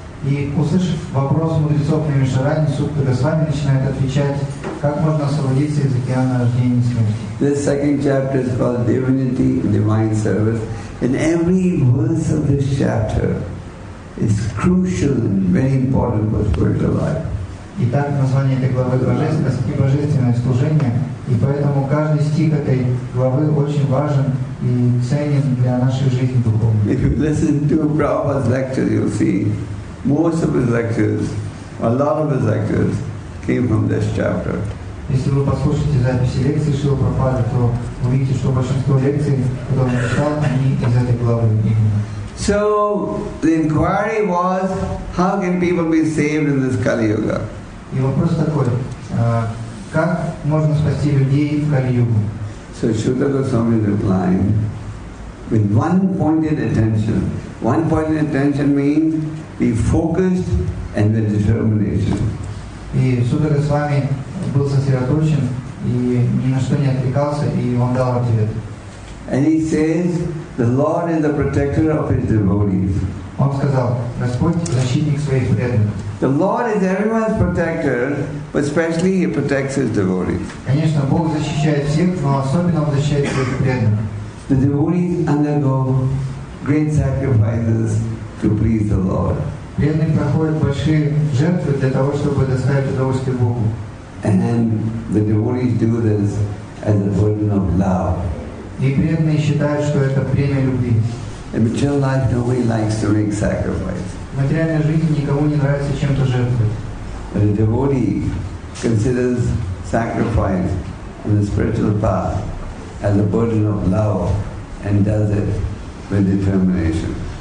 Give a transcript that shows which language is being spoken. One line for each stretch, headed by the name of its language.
Russian: И услышав вопрос мудрецов на Мишаране, Судха Госвами начинает отвечать, как можно освободиться из океана рождения и смерти.
English: This second chapter is called Divinity and Divine Service. And every verse of this chapter is crucial and very important for spiritual life.
Russian: Итак, название этой главы «Божественность» и «Божественное служение», и поэтому каждый стих этой главы очень важен и ценен для нашей жизни духовной.
English: If you listen to Prabhupada's lectures, you'll see most of his lectures, a lot of his lectures came from this chapter.
Russian: Если вы послушаете записи лекции Шрилы Прабхупады, то увидите, что большинство лекций, которые он читал, они из этой главы именно.
English: So the inquiry was, how can people be saved in this Kali Yuga?
Russian: И вопрос такой, как можно спасти людей в Кали Югу?
English: So Sudha Goswami replied with one pointed attention. One pointed attention means be focused and with determination.
Russian: И Сударь с вами был сосредоточен и ни на что не отвлекался, и он дал ответ.
English: And he says, the Lord is the protector of his devotees.
Russian: Он сказал, Господь защитник своих преданных.
English: The Lord is everyone's protector, but especially he protects his devotees.
Russian: Конечно, Бог защищает всех, но особенно он защищает своих преданных.
English: The devotees undergo great sacrifices to please the Lord.
Russian: Преданные проходят большие жертвы для того, чтобы доставить удовольствие Богу.
English: And then the devotees do this as a burden of love.
Russian: И преданные считают, что это бремя любви.
English: In material life, nobody likes to make sacrifices.
Russian: В материальной жизни никому не нравится чем-то жертвовать.
English: But a devotee considers sacrifice on the spiritual path as a burden of love and does it with determination.